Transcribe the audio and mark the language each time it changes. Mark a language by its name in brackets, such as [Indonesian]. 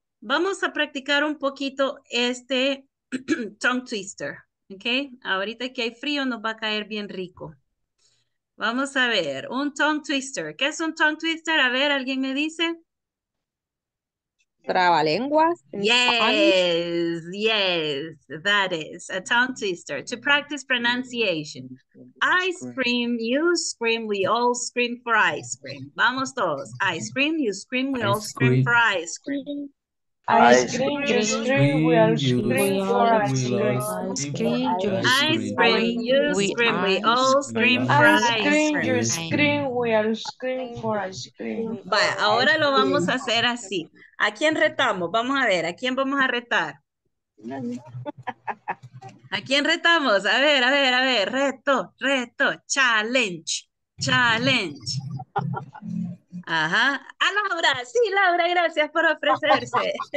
[Spanish] Vamos a practicar un poquito este tongue twister, ¿ok? Ahorita que hay frío nos va a caer bien rico. Vamos a ver, un tongue twister. ¿Qué es un tongue twister? A ver, ¿alguien me dice? Trabalenguas. [English] Yes, yes, that is a tongue twister to practice pronunciation. Ice cream, you scream, we all scream for ice cream. Vamos todos. Ice cream, you scream, we all scream for ice cream. Ice cream, you scream, we all scream for ice cream. [Spanish] Vaya, ahora lo vamos a hacer así. ¿A quién retamos? Vamos a ver, ¿a quién vamos a retar? ¿A quién retamos? A ver, a ver, a ver, reto, reto, challenge, challenge. Ajá. A Laura, sí, Laura, gracias por ofrecerse.